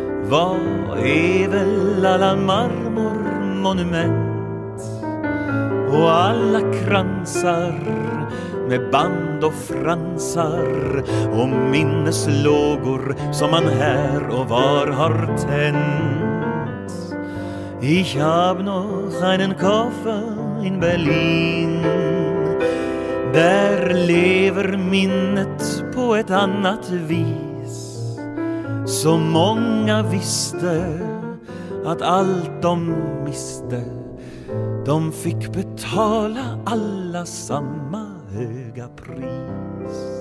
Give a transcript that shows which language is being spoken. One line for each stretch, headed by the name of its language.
Swedish: Vad är väl alla marmormonument och alla kransar med band och fransar och minneslågor som man här och var har tänt.
German: Ich hab noch einen Koffer in Berlin.
Swedish: Där lever minnet på ett annat vis. Så många visste att allt de miste, de fick betala alla samma höga pris.